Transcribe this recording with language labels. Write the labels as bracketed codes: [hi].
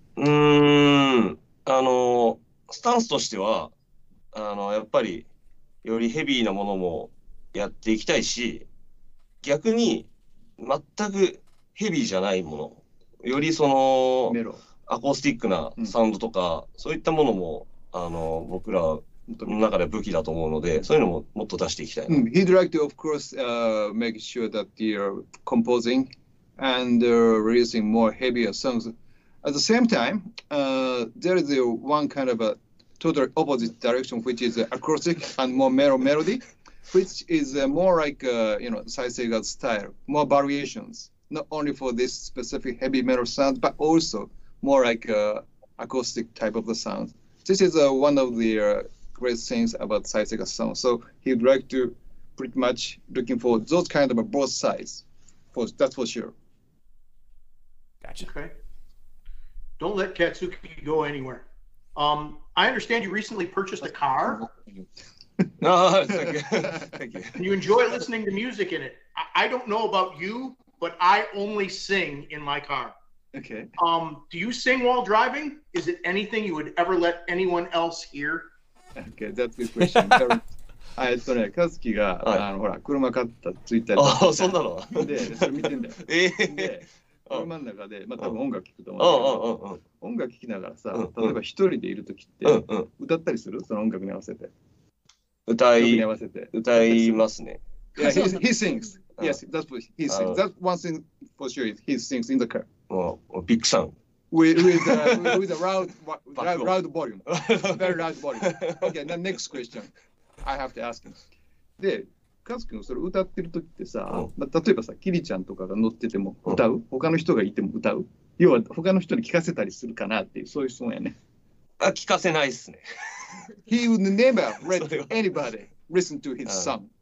[ja] うん、スタンスとしては、やっぱり、よりヘビーなものもやっていきたいし、逆に、全くヘビーじゃないもの、よりその、メロ、アコースティックなサウンドとか、うん、そういったものも、僕らの中で武器だと思うので、そういうのももっと出していきたい。うん、 [en] He'd like to, of course, make sure that you're composing and releasing more heavier songs. At the same time, there is one kind of a total opposite direction, which is acoustic and more mellow melody, which is more like, you know, Saiseiga style, more variations, not only for this specific heavy metal sound, but also more like acoustic type of the sound. This is one of the great things about Saiseiga song. So he'd like to pretty much looking for those kind of both sides. For, that's for sure. Gotcha. Okay. Don't let Katsuki go anywhere. I understand you recently purchased a car. No, it's okay. Thank you. And you enjoy listening to music in it. I don't know about you, but I only sing in my car. Okay. Do you sing while driving? Is it anything you would ever let anyone else hear? Okay, that's a good question. [ja] あ、ね、カズキが、はい、ほら、車買ったツイッターで。ああ、そんなの。で、それ見てんだよ。ええー。車の中で、まあ、多分音楽聴くと思うんだけど。音楽聴きながらさ、例えば一人でいるときって、歌ったりする？その音楽に合わせて。歌いますね。 [en] Yeah, he sings. Yes, that's what he sings. That's one thing for sure is he sings in the car. Oh, big sound. With a loud volume. Very loud volume. Okay, the next question I have to ask him. [ja] で、カズ君それ歌ってる時ってさ、まあ、例えばさ、キリちゃんとかが乗ってても歌う？他の人がいても歌う？要は他の人に聞かせたりするかなっていう、そういう質問やね。あ、聞かせないっすね。 [en] He would never let anybody listen to his song.